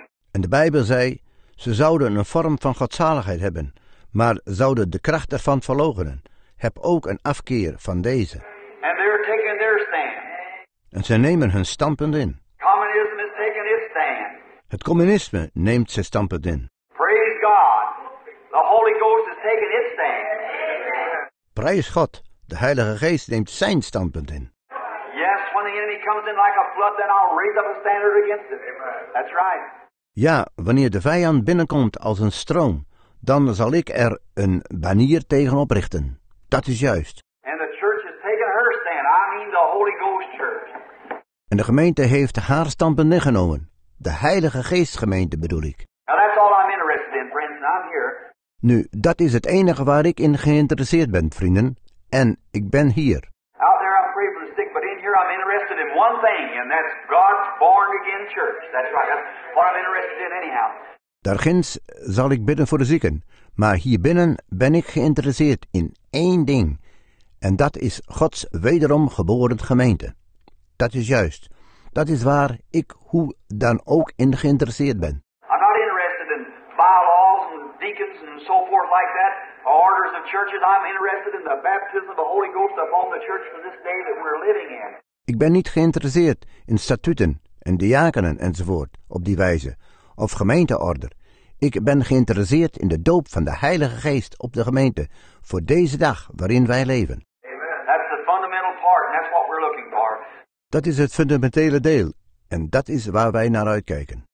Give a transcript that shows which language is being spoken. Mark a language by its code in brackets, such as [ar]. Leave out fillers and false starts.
[nl] En de Bijbel zei, ze zouden een vorm van godzaligheid hebben, maar zouden de kracht ervan verloochenen. Heb ook een afkeer van deze. [en] And they're taking their stand. [nl] En ze nemen hun standpunt in. [en] Communism is taking its stand. [nl] Het communisme neemt zijn standpunt in. [en] Praise God. The Holy Ghost is taking its stand. [nl] Prijs God. De Heilige Geest neemt zijn standpunt in. [en] Yes, when the enemy comes in like a flood, then I'll raise up a standard against it. Amen. That's right. [nl] Ja, wanneer de vijand binnenkomt als een stroom, dan zal ik er een banier tegen oprichten. Dat is juist. [en] And the church has taken her stand. I mean the Holy Ghost church. [nl] En de gemeente heeft haar standpunt ingenomen. De Heilige Geestgemeente bedoel ik. [en] Now that's all I'm interested in, friends. I'm here. [nl] Nu, dat is het enige waar ik in geïnteresseerd ben, vrienden. En ik ben hier. [en] Out there I'm free from the stick, but in here I'm interested in one thing, and that's God's born again church. That's right. That's what I'm interested in anyhow. [nl] Daarginds zal ik bidden voor de zieken, maar hier binnen ben ik geïnteresseerd in één ding, en dat is Gods wederom geboren gemeente. Dat is juist. Dat is waar ik hoe dan ook in geïnteresseerd ben. [en] I'm not interested in bylaws and deacons and so forth like that, or orders of churches. I'm interested in the baptism of the Holy Ghost upon the church for this day that we're living in. [nl] Ik ben niet geïnteresseerd in statuten en diakenen enzovoort op die wijze. Of gemeenteorder. Ik ben geïnteresseerd in de doop van de Heilige Geest op de gemeente voor deze dag waarin wij leven. [en] Amen. That's the fundamental part, and that's what we're looking for. Dat is het fundamentele deel en dat is waar wij naar uitkijken.